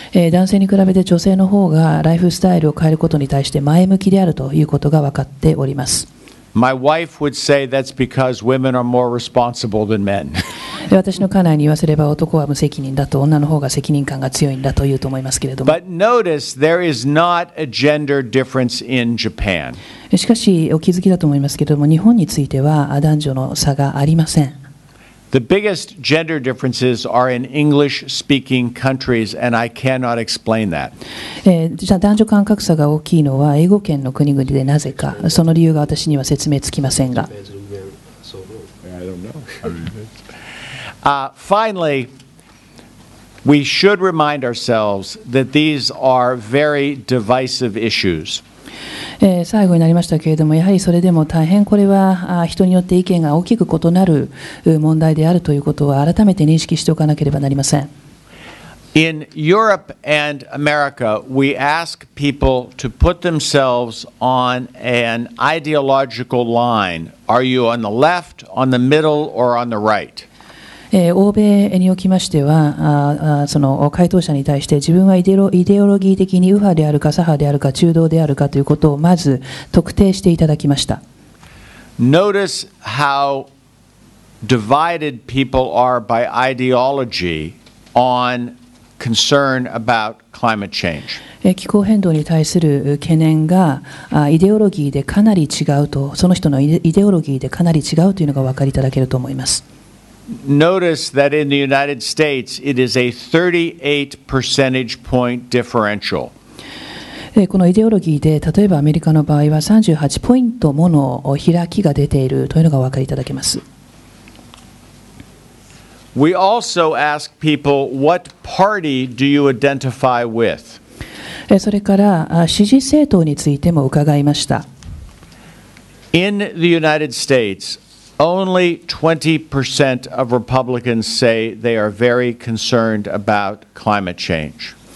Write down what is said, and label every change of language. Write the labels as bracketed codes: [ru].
[ja] 男性に比べて女性の方がライフスタイルを変えることに対して前向きであるということが分かっております。 [en] My wife would say that's because women are more responsible than men. [ja] 私の家内に言わせれば男は無責任だと、女の方が責任感が強いんだと言うと思いますけれども。 [en] But notice there is not a gender difference in Japan. [ja] しかしお気づきだと思いますけれども、日本については男女の差がありません。 [en] The biggest gender differences are in English-speaking countries, and I cannot explain that. [ja] じゃあ男女間格差が大きいのは英語圏の国々でなぜか、その理由が私には説明つきませんが。 [en] I don't know. Finally, we should remind ourselves that these are very divisive issues. [ja] 最後になりましたけれども、やはりそれでも大変これは人によって意見が大きく異なる問題であるということを改めて認識しておかなければなりません。 [en] In Europe and America, we ask people to put themselves on an ideological line. Are you on the left, on the middle, or on the right? [ja] 欧米におきましては、その回答者に対して自分はイデオロギー的に右派であるか左派であるか中道であるかということをまず特定していただきました。 [en] Notice how divided people are by ideology on concern about climate change. [ja] 気候変動に対する懸念がイデオロギーでかなり違うと、その人のイデオロギーでかなり違うというのがお分かりいただけると思います。 [en] Notice that in the United States, it is a 38 percentage point differential. [ja] このイデオロギーで、例えばアメリカの場合は38ポイントもの開きが出ているというのがお分かりいただけます。 [en] We also ask people, what party do you identify with? [ja] それから支持政党についても伺いました。 [en] In the United States,Only 20% of Republicans say they are very concerned about climate change.